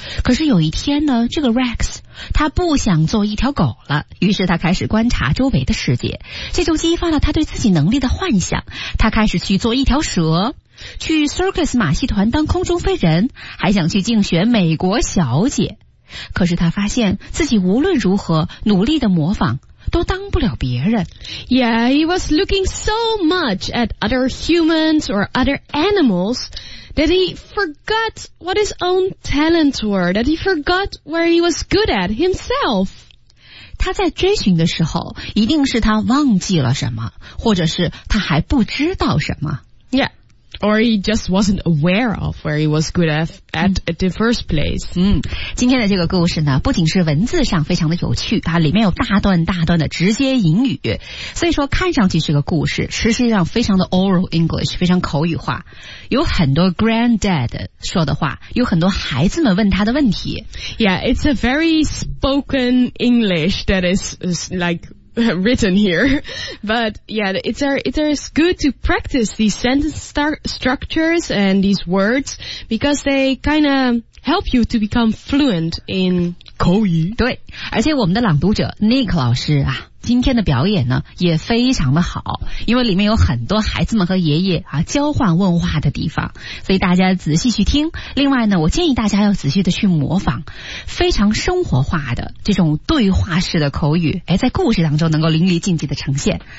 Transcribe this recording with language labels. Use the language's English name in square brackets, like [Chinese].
[Chinese] 可是有一天呢，这个 Rex 他不想做一条狗了，于是他开始观察周围的世界，这就激发了他对自己能力的幻想。他开始去做一条蛇，去 Circus 马戏团当空中飞人，还想去竞选美国小姐。可是他发现自己无论如何努力的模仿，都当不了别人。 [English] Yeah, he was looking so much at other humans or other animals that he forgot what his own talents were, that he forgot where he was good at himself. [Chinese] 他在追寻的时候，一定是他忘记了什么，或者是他还不知道什么。 [English] Yeah. Or he just wasn't aware of where he was good at the first place. [Chinese] 今天的这个故事呢，不仅是文字上非常的有趣啊，里面有大段大段的直接引语，所以说看上去是个故事，实际上非常的 oral English, 非常口语化，有很多 granddad 说的话，有很多孩子们问他的问题。 [English] Yeah, it's a very spoken English that is like,written here, but yeah, it's good to practice these sentence structures and these words because they kind of help you to become fluent in [Chinese] 口语。对，而且我们的朗读者 Nick 老师啊，今天的表演呢也非常的好，因为里面有很多孩子们和爷爷啊交换问话的地方，所以大家仔细去听。另外呢，我建议大家要仔细的去模仿，非常生活化的这种对话式的口语，哎，在故事当中能够淋漓尽致的呈现。